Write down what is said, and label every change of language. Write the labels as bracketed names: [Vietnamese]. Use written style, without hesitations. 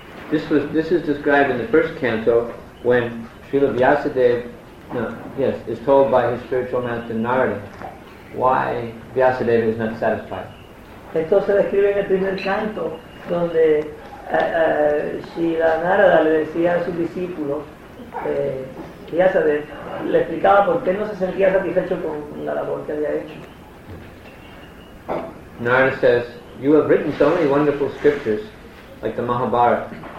[English] This is described in the first canto when Srila Vyasadeva is told by his spiritual master Narada why Vyasadeva is not satisfied. [Spanish] Esto se describe en el primer canto donde Srila Narada le decía a su discípulo Vyasadeva, le explicaba por qué no se sentía satisfecho con la labor que había hecho. [English] Narada says, you have written so many wonderful scriptures like the Mahabharata.